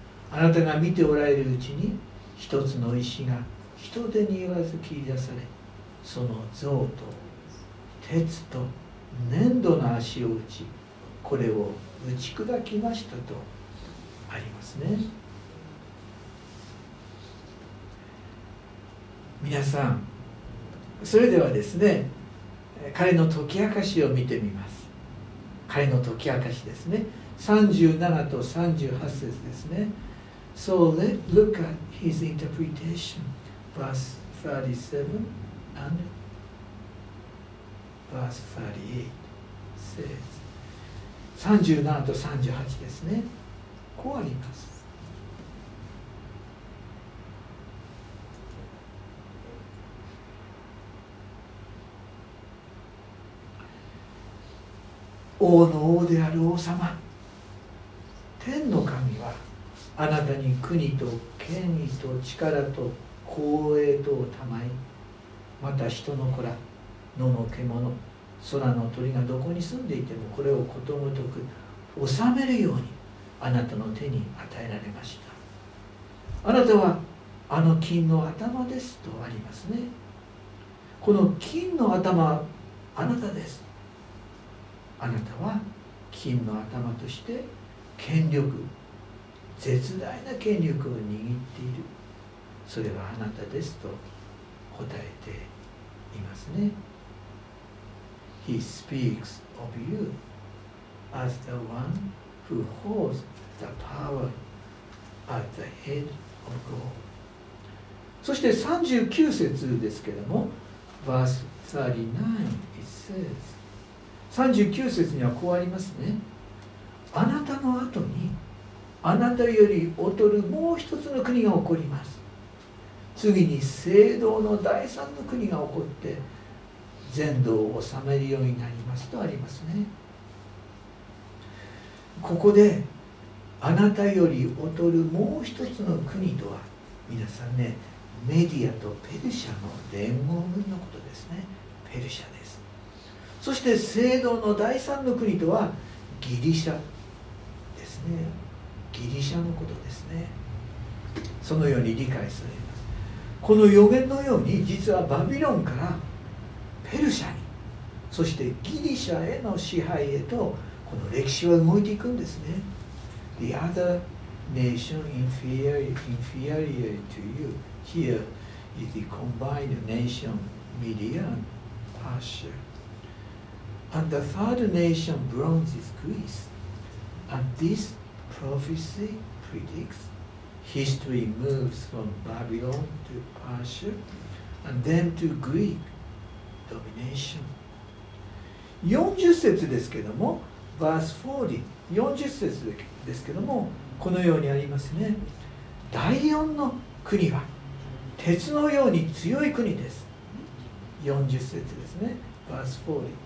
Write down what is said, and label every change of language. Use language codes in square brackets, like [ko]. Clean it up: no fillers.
[ja] あなたが見ておられるうちに、一つの石が人手によらず切り出され、その像と鉄と粘土の足を打ち、これを打ち砕きましたとありますね。皆さん、それではですね、彼の解き明かしを見てみます。彼の解き明かしですね、37と38節ですね。 [en] So let's look at his interpretation, verse 37 and verse 38 says. [ja] 37と38ですね、こうあります。王の王である王様、天の神はあなたに国と権威と力と光栄とを賜い、また人の子ら、野の獣、空の鳥がどこに住んでいてもこれをことごとく治めるようにあなたの手に与えられました。あなたはあの金の頭ですとありますね。この金の頭はあなたです。あなたは金の頭として権力、絶大な権力を握っている、それはあなたですと答えていますね。 [en] He speaks of you as the one who holds the power at the head of gold. [ja] そして39節ですけれども、 [en] Verse 39 it says、 [ja] 39節にはこうありますね。あなたの後にあなたより劣るもう一つの国が起こります。次に聖堂の第三の国が起こって全土を治めるようになりますとありますね。ここであなたより劣るもう一つの国とは、皆さんね、メディアとペルシャの連合軍のことですね。ペルシャです。そして聖堂の第三の国とはギリシャですね。ギリシャのことですね。そのように理解されます。この予言のように、実はバビロンからペルシャに、そしてギリシャへの支配へと、この歴史は動いていくんですね。 [en] The other nation inferior to you. Here is the combined nation Media and Persia. And the third nation bronze is Greece. And this prophecy predicts history moves from Babylon to Persia and then to Greek domination. [ja] 40節ですけども [en] Verse 40 [ja] 40節ですけどもこのようにありますね。第四の国は鉄のように強い国です。 40節ですね。 [en] Verse 40。